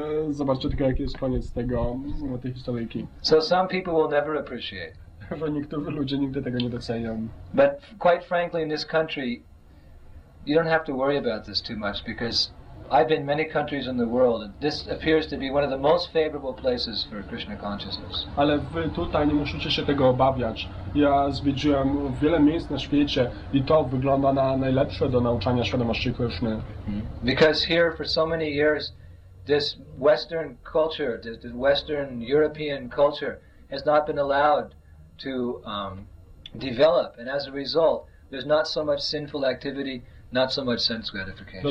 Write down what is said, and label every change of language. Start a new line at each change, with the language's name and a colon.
Polish: Zobaczcie tylko, jaki jest koniec tej historyjki.
English: So some people will never appreciate.
Polish: Bo niektórzy ludzie nigdy tego nie docenią.
English: But quite frankly, in this country, you don't have to worry about this too much, because I've been many countries in the world and this appears to be one of the most favorable places for Krishna consciousness.
Polish: Ale wy tutaj nie musicie się tego obawiać. Ja zwiedziłem wiele miejsc na świecie i to wygląda na najlepsze do nauczania świadomości Krishny.
English: Because here for so many years this Western culture, the Western European culture has not been allowed to develop, and as a result there's not so much sinful activity, not so much sense gratification.